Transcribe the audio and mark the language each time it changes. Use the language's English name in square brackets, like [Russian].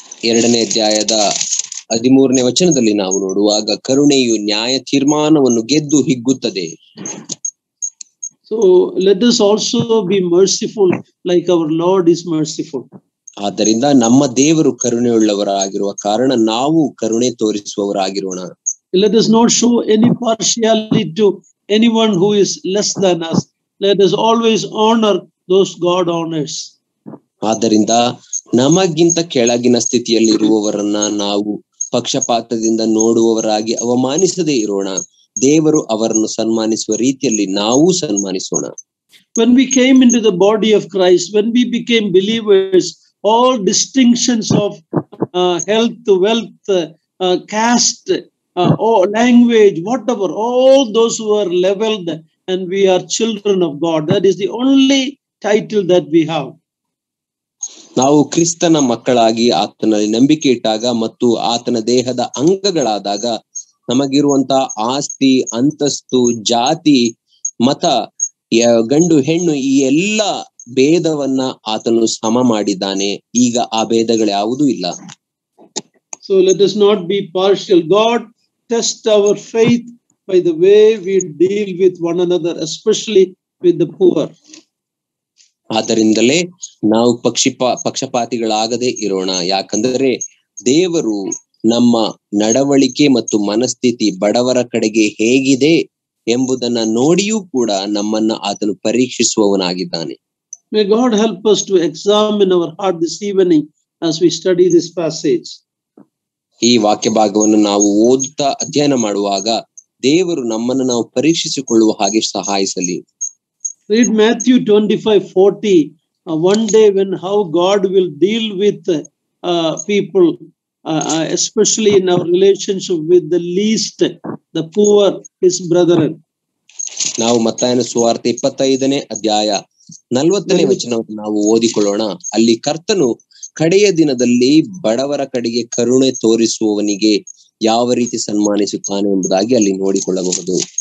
[Kannada] ಎರಡನೇ ಅಧ್ಯಾಯದ 13ನೇ ವಚನದಲ್ಲಿ ನಾವು ನೋಡುವಾಗ ಕರುಣೆಯು ನ್ಯಾಯ ತೀರ್ಮಾನವನ್ನು ಗೆದ್ದು ಹಿಗ್ಗುತ್ತದೆ. [English] So let us also be merciful like our lord is merciful. [Kannada] ಆದ್ದರಿಂದ ನಮ್ಮ ದೇವರು ಕರುಣೆಯುಳ್ಳವರಾಗಿರುವ ಕಾರಣ ನಾವು ಕರುಣೆ ತೋರಿಸುವವರಾಗಿರೋಣ. [English] Let us not show any partiality to anyone who is less than us. Let us always honor those God honors. [Kannada] ಆದ್ದರಿಂದ ನಮಗಿಂತ ಕೆಳಗಿನ ಸ್ಥಿತಿಯಲ್ಲಿರುವವರನ್ನ ನಾವು ಪಕ್ಷಪಾತದಿಂದ ನೋಡುವವರಾಗಿ ಅವಮಾನಿಸದೇ ಇರೋಣ. ದೇವರು ಅವರನ್ನು ಸನ್ಮಾನಿಸುವ ರೀತಿಯಲ್ಲಿ ನಾವು ಸನ್ಮಾನಿಸೋಣ. [English] When we came into the body of Christ, when we became believers, all distinctions of health, wealth, caste, language, whatever, all those who are leveled and we are children of God. That is the only title that we have. [Kannada] ನಾವು ಕ್ರಿಸ್ತನ ಮಕ್ಕಳಾಗಿ ಆತನಲ್ಲಿ ನಂಬಿಕೆ ಇಟ್ಟಾಗ ಮತ್ತು ಆತನ ದೇಹದ ಅಂಗಗಳಾದಾಗ ನಮಗಿರುವಂತಹ ಆಸ್ತಿ, ಅಂತಸ್ತು, ಜಾತಿ, ಮತ ಗಂಡು ಹೆಣ್ಣು, ಈ ಎಲ್ಲ ಭೇದವನ್ನ ಆತನು ಸಮ ಮಾಡಿದ್ದಾನೆ. ಈಗ ಆ ಭೇದಗಳ್ಯಾವುದೂ ಇಲ್ಲ. [English] So let us not be partial. God test our faith by the way we deal with one another, especially with the poor. [Kannada] ಆದ್ದರಿಂದಲೇ ನಾವು ಪಕ್ಷಪಾತಿಗಳಾಗದೆ ಇರೋಣ. ಯಾಕಂದರೆ ದೇವರು ನಮ್ಮ ನಡವಳಿಕೆ ಮತ್ತು ಮನಸ್ಥಿತಿ ಬಡವರ ಕಡೆಗೆ ಹೇಗಿದೆ ಎಂಬುದನ್ನ ನೋಡಿಯೂ ಕೂಡ ನಮ್ಮನ್ನ ಆತನು ಪರೀಕ್ಷಿಸುವವನಾಗಿದ್ದಾನೆ. [English] May God help us to examine our heart this evening as we study this passage. [Kannada] ಈ ವಾಕ್ಯ ಭಾಗವನ್ನು ನಾವು ಓದುತ್ತಾ ಅಧ್ಯಯನ ಮಾಡುವಾಗ ದೇವರು ನಮ್ಮನ್ನ ನಾವು ಪರೀಕ್ಷಿಸಿಕೊಳ್ಳುವ ಹಾಗೆ ಸಹಾಯಿಸಲಿ. [English] Read Matthew 25:40, one day when how God will deal with people, especially in our relationship with the least, the poor, his brethren. [Kannada] ನಾವು ಮತ್ತಾಯನ ಸುವಾರ್ತೆ 25ನೇ ಅಧ್ಯಾಯ 40ನೇ ವಚನವನ್ನು ನಾವು ಓದಿಕೊಳ್ಳೋಣ. ಅಲ್ಲಿ ಕರ್ತನು ಕಡೆಯ ದಿನದಲ್ಲಿ ಬಡವರ ಕಡೆಗೆ ಕರುಣೆ ತೋರಿಸುವವನಿಗೆ ಯಾವ ರೀತಿ ಸನ್ಮಾನಿಸುತ್ತಾನೆ ಎಂಬುದಾಗಿ ಅಲ್ಲಿ ನೋಡಿಕೊಳ್ಳಬಹುದು.